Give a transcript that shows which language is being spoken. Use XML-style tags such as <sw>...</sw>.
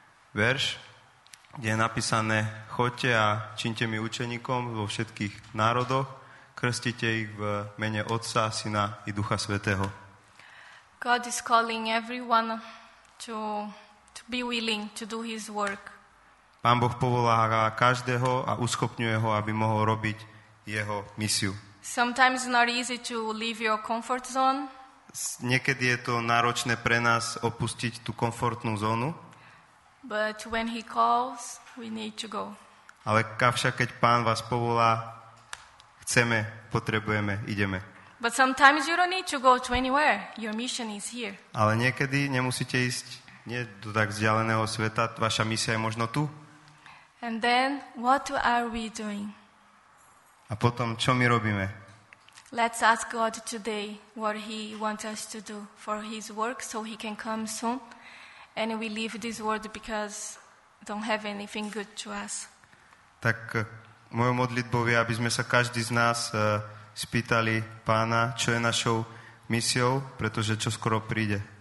<sk>verš, kde je napísané: choďte a čiňte mi učeníkom vo všetkých národoch, krstite ich v mene Otca, Syna i Ducha Svätého.</sk> <en>God is calling everyone to be willing to do his work.</en> <sk>Pán Boh povoláva každého a uschopňuje ho, aby mohol robiť jeho misiu.</sk> <en>Sometimes it's not easy to leave your comfort zone.</en> <sk>Niekedy je to náročné pre nás opustiť tú komfortnú zónu.</sk> <en>But when he calls, we need to go.</en> <sk>Ale avšak keď Pán vás povolá, chceme, potrebujeme, ideme.</sk> <en>But sometimes you don't need to go to anywhere. Your mission is here.</en> <sk>Ale niekedy nemusíte ísť nie do tak vzdialeného sveta, vaša misia je možno tu.</sk> <en>And then what are we doing?</en> <sk>A potom čo my robíme?</sk> <en>Let's ask God today what he wants us to do for his work so he can come soon and we leave this world because don't have anything good to us.</en> <sk>Tak mojou modlitbou je, aby sme sa každý z nás spýtali Pána, čo je našou misiou, pretože čo skoro príde.</sk>